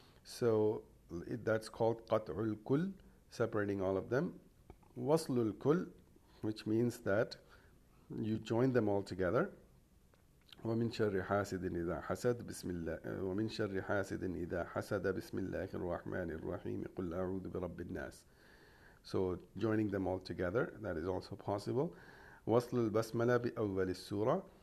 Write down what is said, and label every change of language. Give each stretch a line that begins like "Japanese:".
English: So that's called Qat'ul Kull, separating all of them. Waslul Kull, which means that you join them all together.
Arabic: ومن شر حاسد إذا حسد بسم الله ومن شر حاسد إذا حسد بسم الله الرحمن الرحيم قل أعوذ برب الناس.
English: So joining them all together, that is also possible.
Arabic: وصل البسملة بأول السورة.